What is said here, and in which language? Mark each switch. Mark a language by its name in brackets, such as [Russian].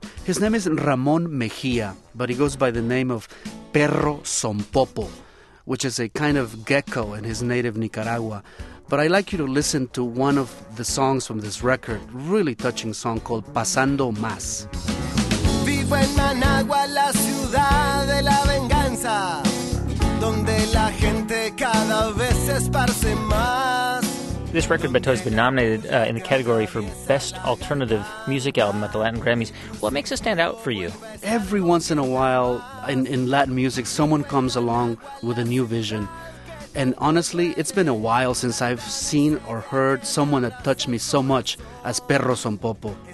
[English] His name is Ramon Mejia, but he goes by the name of Perro Sompopo, which is a kind of gecko in his native Nicaragua. But I'd like you to listen to one of the songs from this record, really touching song called Pasando Más. [Spanish] Vivo en Managua, la ciudad de la venganza. Donde la gente cada vez esparce más. [English] This record, Beto, has been nominated in the category for Best Alternative Music Album at the Latin Grammys. What makes it stand out for you? Every once in a while in Latin music, someone comes along with a new vision. And honestly, it's been a while since I've seen or heard someone that touched me so much as Perro Sompopo.